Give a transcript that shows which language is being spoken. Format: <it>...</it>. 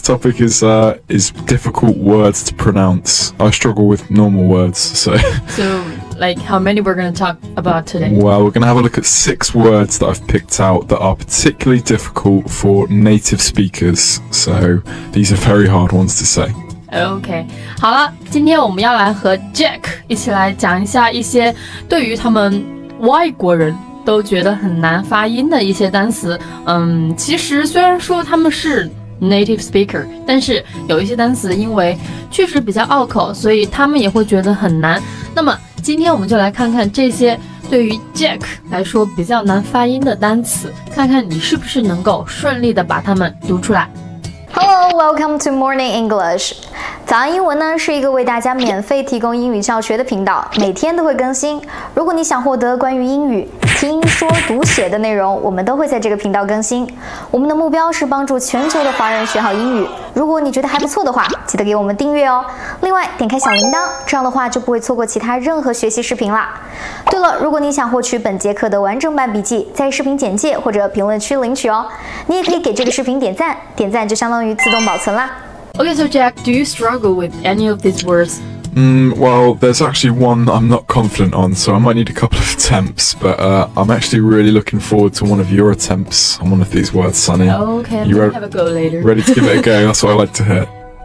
<en>topic is difficult words to pronounce. I struggle with normal words, so. Like, how many we're going to talk about today? Well, we're going to have a look at 6 words that I've picked out that are particularly difficult for native speakers. So, these are very hard ones to say. Okay.</en> <zh>好了，今天我们要来和 Jack 一起来讲一下一些对于他们外国人都觉得很难发音的一些单词。其实虽然说他们是native speaker, 但是有一些单词因为确实比较拗口，所以他们也会觉得很难。那么今天我们就来看看这些对于 Jack 来说比较难发音的单词，看看你是不是能够顺利的把它们读出来。</zh> <en>Hello, welcome to Morning English.</en> <zh>早安英文呢是一个为大家免费提供英语教学的频道，每天都会更新。如果你想获得关于英语听说读写的内容，我们都会在这个频道更新。我们的目标是帮助全球的华人学好英语。如果你觉得还不错的话，记得给我们订阅哦。另外，点开小铃铛，这样的话就不会错过其他任何学习视频啦。对了，如果你想获取本节课的完整版笔记，在视频简介或者评论区领取哦。你也可以给这个视频点赞，点赞就相当于自动保存啦。</zh> <en>Okay, so Jack, do you struggle with any of these words? Well, there's actually one I'm not confident on, so I might need a couple of attempts, but I'm actually really looking forward to one of your attempts on one of these words, Sunny. Okay, have a go later. Ready to give it a go? That's what I like to hear.</en>